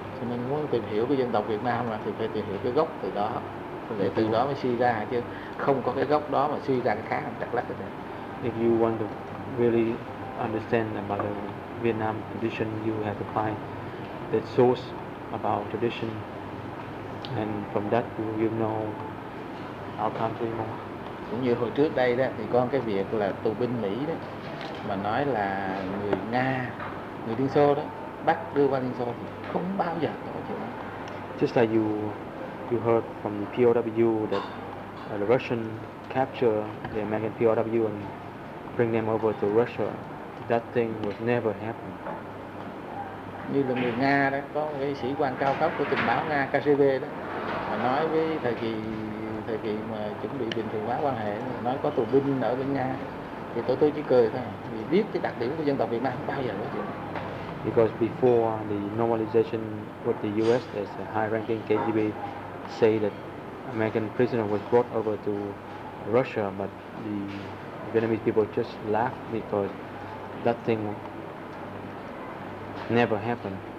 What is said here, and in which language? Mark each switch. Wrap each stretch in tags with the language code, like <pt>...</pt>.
<vi>Mình muốn tìm hiểu cái dân tộc Việt Nam thì phải tìm hiểu cái gốc từ đó, để từ đó mới suy ra, chứ không có cái gốc đó mà suy ra cái khác hẳn chắc lắc.</vi> <en>If you want to really understand about the Vietnam tradition, you have to find the source about tradition, and from that you know our country more.</en> <vi>Cũng như hồi trước đây đó, thì có cái việc là tù binh Mỹ đó mà nói là người Nga, người Liên Xô đó bắt đưa qua Liên Xô thì không bao giờ có chuyện đó.</vi> <en>Just like you heard from the POW that the Russian capture the American POW and bring them over to Russia, that thing would never happen.</en> <vi>Như là người Nga đó, có cái sĩ quan cao cấp của tình báo Nga KGB đó mà nói với thời kỳ mà chuẩn bị bình thường hóa quan hệ, nói có tù binh ở bên Nga, thì tôi chỉ cười thôi, vì biết cái đặc điểm của dân tộc Việt Nam không bao giờ có chuyện.</vi> <en>Because before the normalization with the US, there's a high-ranking KGB say that American prisoner was brought over to Russia, but the Vietnamese people just laughed because that thing never happened.</en>